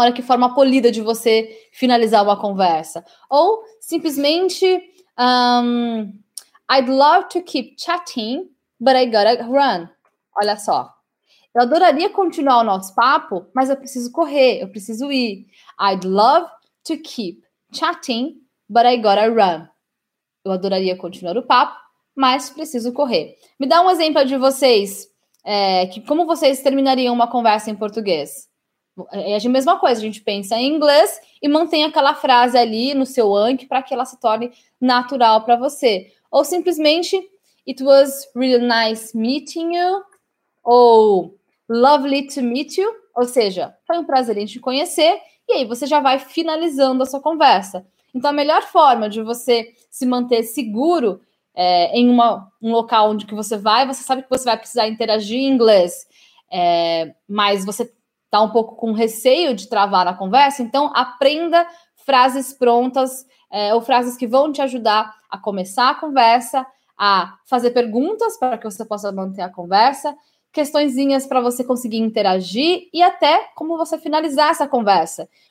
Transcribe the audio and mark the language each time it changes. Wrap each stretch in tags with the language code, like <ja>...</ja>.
<pt>Olha que forma polida de você finalizar uma conversa. Ou, simplesmente,</pt> <en>I'd love to keep chatting, but I gotta run.</en> <pt>Olha só. Eu adoraria continuar o nosso papo, mas eu preciso correr, eu preciso ir.</pt> <en>I'd love to keep chatting, but I gotta run.</en> <pt>Eu adoraria continuar o papo, mas preciso correr. Me dá um exemplo de vocês, como vocês terminariam uma conversa em português? É a mesma coisa, a gente pensa em inglês e mantém aquela frase ali no seu anki para que ela se torne natural para você. Ou simplesmente,</pt> <en>it was really nice meeting you. Ou, lovely to meet you.</en> <pt>Ou seja, foi um prazer em te conhecer. E aí você já vai finalizando a sua conversa. Então, a melhor forma de você se manter seguro em um local onde que você sabe que você vai precisar interagir em inglês, mas você está um pouco com receio de travar a conversa, então aprenda frases prontas ou frases que vão te ajudar a começar a conversa, a fazer perguntas para que você possa manter a conversa, questõezinhas para você conseguir interagir e até como você finalizar essa conversa.</pt>